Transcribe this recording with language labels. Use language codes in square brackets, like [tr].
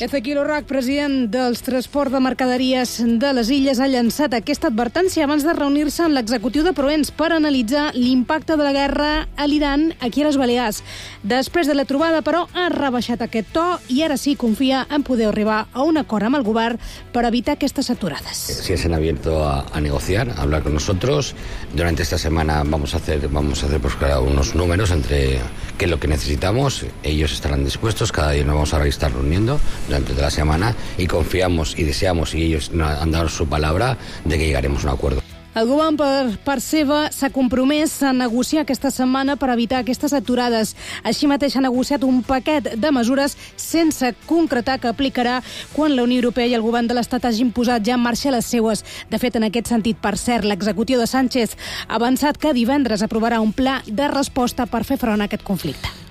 [ca] Ezequiel Orrach, president dels transports de mercaderies de les Illes, ha llançat aquesta advertència abans de reunir-se amb l'executiu de Provence per analitzar l'impacte de la guerra a l'Iran aquí a les Balears. Després de la trobada, però, ha rebaixat aquest to i ara sí confia en poder arribar a un acord amb el govern per evitar aquestes aturades. [es] Si es han abierto a negociar, a hablar con nosotros, durante esta semana vamos a hacer pues, claro, unos números entre qué es lo que necesitamos, ellos estarán dispuestos, cada día nos vamos a estar reuniendo durante toda la semana y confiamos y deseamos, y ellos han dado su palabra, de que llegaremos a un acuerdo. [ca] El govern, per seva, s'ha compromès a negociar aquesta setmana per evitar aquestes aturades. Així mateix ha negociat un paquet de mesures sense concretar que aplicarà quan la Unió Europea i el govern de l'Estat hagin posat ja en marxa les seues. De fet, en aquest sentit, per cert, l'executiu de Sánchez ha avançat que divendres aprovarà un pla de resposta per fer front a aquest conflicte.